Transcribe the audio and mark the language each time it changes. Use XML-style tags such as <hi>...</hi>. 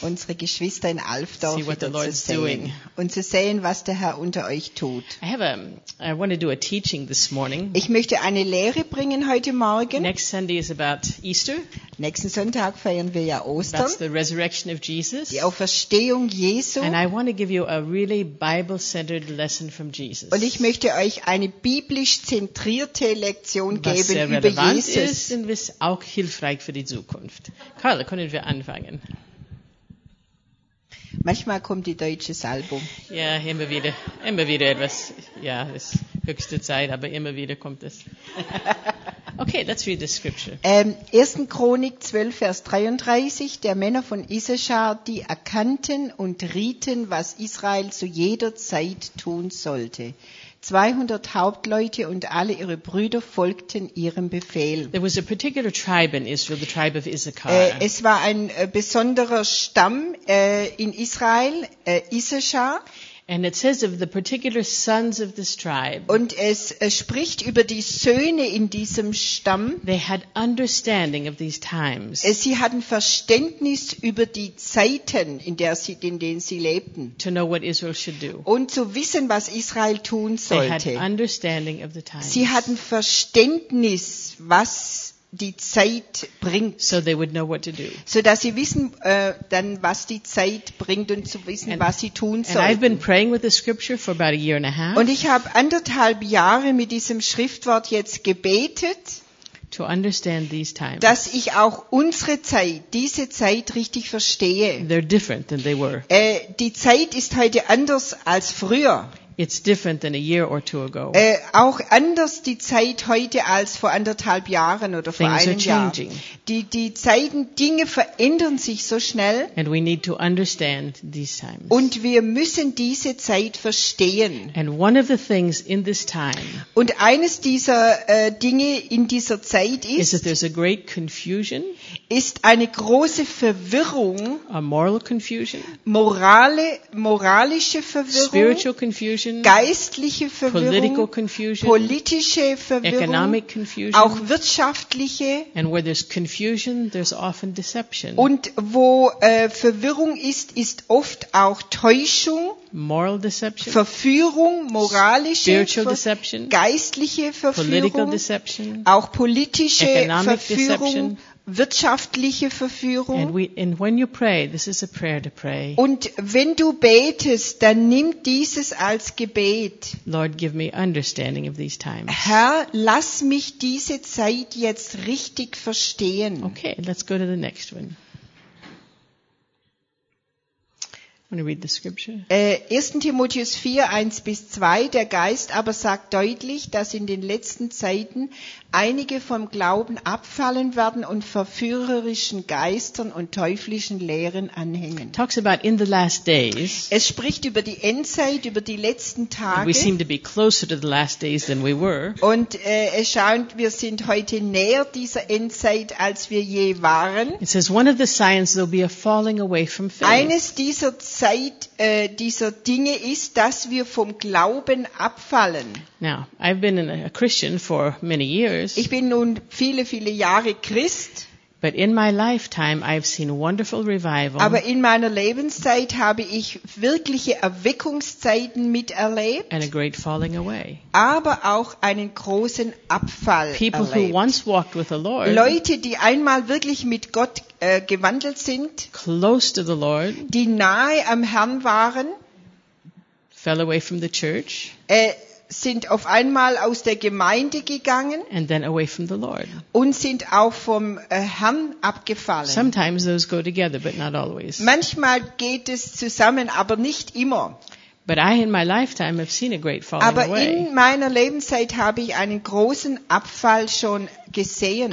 <de>unsere Geschwister in Alfdorf wieder zu sehen und zu sehen, was der Herr unter euch tut.</de> <en>I want to do a teaching this morning.</en> <de>Ich möchte eine Lehre bringen heute Morgen.</de> <en>Next Sunday is about Easter.</en> <de>Nächsten Sonntag feiern wir ja Ostern.</de> <en>That's the resurrection of Jesus.</en> <de>Die Auferstehung Jesu.</de> <en>And I want to give you a really Bible-centered lesson from Jesus.</en> <de>Und ich möchte euch eine biblisch zentrierte Lektion geben über Jesus. Was sehr relevant ist und auch hilfreich für die Zukunft. Karl, können wir anfangen? Manchmal kommt die deutsche Salbung. Ja, immer wieder etwas. Ja, es höchste Zeit, aber immer wieder kommt es.</de> <en>Okay, let's read the scripture.</en> <de>1. Chronik 12, Vers 33. Der Männer von Issachar, die erkannten und rieten, was Israel zu jeder Zeit tun sollte. 200 Hauptleute und alle ihre Brüder folgten ihrem Befehl.</de> <en>There was a particular tribe in Israel, the tribe of Issachar.</en> <de>Es war ein besonderer Stamm in Israel, Issachar.</de> <en>And it says of the particular sons of this tribe.</en> <de>Und es spricht über die Söhne in diesem Stamm.</de> <en>They had understanding of these times.</en> <de>Sie hatten Verständnis über die Zeiten, in denen sie lebten.</de> <en>To know what Israel should do.</en> <de>Und zu wissen, was Israel tun sollte.</de> <en>They had understanding of the times.</en> <de>Sie hatten Verständnis, was die Zeit bringt,</de> <en>so they would know what to do.</en> <de>So dass sie wissen, dann was die Zeit bringt und zu wissen, was sie tun sollen.</de> <en>And I've been praying with the scripture for about a year and a half.</en> <de>Und ich habe anderthalb Jahre mit diesem Schriftwort jetzt gebetet,</de> <en>to understand these times.</en> <de>Dass ich auch unsere Zeit, diese Zeit richtig verstehe.</de> <en>They're different than they were.</en> <de>Die Zeit ist heute anders als früher.</de> <en>It's different than a year or two ago.</en> <de>Auch anders die Zeit heute als vor anderthalb Jahren oder vor</de> <en>Things</en> <de>einem</de> <en>are changing.</en> <de>Jahr. Die Zeiten, Dinge verändern sich so schnell.</de> <en>And we need to understand these times.</en> <de>Und wir müssen diese Zeit verstehen.</de> <en>And one of the things in this time.</en> <de>Und eines dieser Dinge in dieser Zeit ist.</de> <en>Is that there's a great confusion.</en> <de>Ist eine große Verwirrung.</de> <en>A moral confusion.</en> <de>Moralische Verwirrung.</de> <en>Spiritual confusion.</en> <de>Geistliche Verwirrung,</de> <en>political confusion,</en> <de>politische Verwirrung,</de> <en>economic confusion,</en> <de>auch wirtschaftliche.</de> <en>And where there's confusion, there's often deception.</en> <de>Und wo Verwirrung ist, ist oft auch Täuschung,</de> <en>moral deception,</en> <de>Verführung, moralische</de> <en>spiritual deception,</en> <de>geistliche Verführung,</de> <en>political deception,</en> <de>auch politische</de> <en>economic</en> <de>Verführung,</de> <en>deception.</en> <de>Wirtschaftliche Verführung.</de> <en>And when you pray, this is a prayer to pray.</en> <de>Und wenn du betest, dann nimm dieses als Gebet.</de> <en>Lord, give me understanding of these times.</en> <de>Herr, lass mich diese Zeit jetzt richtig verstehen.</de> <en>Okay, let's go to the next one. Want to read the scripture?</en> <de>1. Timotheus 4, 1-2. Der Geist aber sagt deutlich, dass in den letzten Zeiten einige vom Glauben abfallen werden und verführerischen Geistern und teuflischen Lehren anhängen.</de> <en>Talks about in the last days.</en> <de>Es spricht über die Endzeit, über die letzten Tage.</de> <en>We seem to be closer to the last days than we were.</en> <de>Und es scheint, wir sind heute näher dieser Endzeit, als wir je waren.</de> <en>It says one of the signs there'll be a falling away from faith.</en> <de>Eines dieser Zeit dieser Dinge ist, dass wir vom Glauben abfallen.</de> <en>Now, I've been a Christian for many years.</en> <de>Ich bin nun viele, viele Jahre Christ.</de> <en>But in my lifetime I've seen wonderful revival.</en> <de>Aber in meiner Lebenszeit habe ich wirkliche Erweckungszeiten miterlebt.</de> <en>And a great falling away.</en> <de>Aber auch einen großen Abfall</de> <en>People</en> <de>erlebt.</de> <en>Who once walked with the Lord,</en> <de>Leute, die einmal wirklich mit Gott gewandelt sind,</de> <en>close to the Lord,</en> <de>die nahe am Herrn waren,</de> <en>fell away from the church.</en> <de>Sind auf einmal aus der Gemeinde gegangen</de> <en>and then away from the Lord.</en> <de>Und sind auch vom Herrn abgefallen.</de> <en>Sometimes those go together, but not always.</en> <de>Manchmal geht es zusammen, aber nicht immer.</de> <en>But I in my lifetime have seen a great falling</en> <de>Aber</de> <en>away.</en> <de>In meiner Lebenszeit habe ich einen großen Abfall schon gesehen.</de>